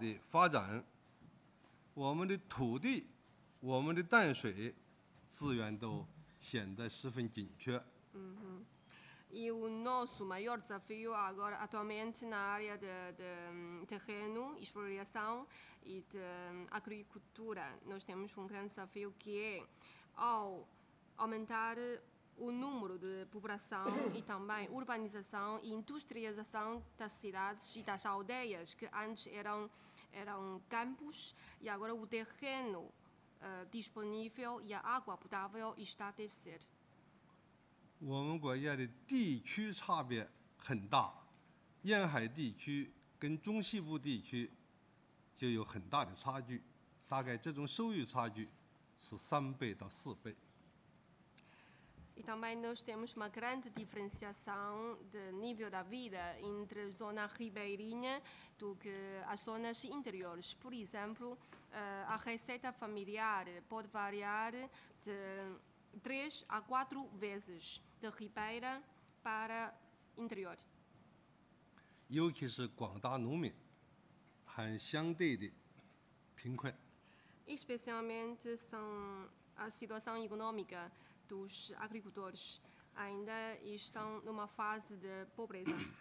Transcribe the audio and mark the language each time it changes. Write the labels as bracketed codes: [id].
[pt] Nós temos uma grande problema. [zh] 我们的淡水资源都显得十分紧缺。 [pt] 嗯哼，e o nosso maior desafio agora atualmente na área de terreno, exploração e de agricultura, nós temos grande desafio que é ao aumentar o número de população e também urbanização e industrialização das cidades e das aldeias que antes eram campos e agora o terrenodisponível e a água potável está a descer. [zh] 我们国家的地区差别很大，沿海地区跟中西部地区就有很大的差距，大概这种收入差距是3倍到4倍。 [pt] E também nós temos uma grande diferenciação de nível da vida entre a zona ribeirinha do que as zonas interiores. Por exemplo, a receita familiar pode variar de 3 a 4 vezes de ribeira para interior. [zh] 尤其是广大农民和相对的贫困。 [pt] Especialmente são a situação econômica. Dos agricultores ainda estão numa fase de pobreza.